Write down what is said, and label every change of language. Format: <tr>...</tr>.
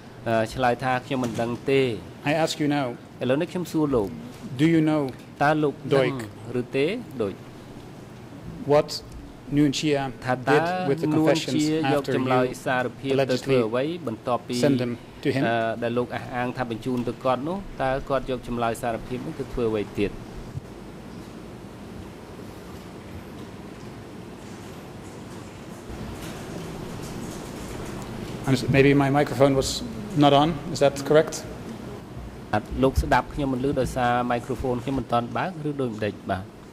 <en>I ask you now, do you know, Doik, what? Nguyen Chia did with the confessions after you allegedly sent them to him.</en> <km>ដែលលោកអះអាងថាបញ្ជូនទៅគាត់នោះតើគាត់យកចម្លើយសារភាពនោះទៅធ្វើអ្វីទៀត</km> <en>Maybe my microphone was not on. Is that correct?</en> <km>លោកស្ដាប់ខ្ញុំមិនឮដោយសារមីក្រូហ្វូនខ្ញុំមិនទាន់បើកឬដូចម្ដេចបាទ</km>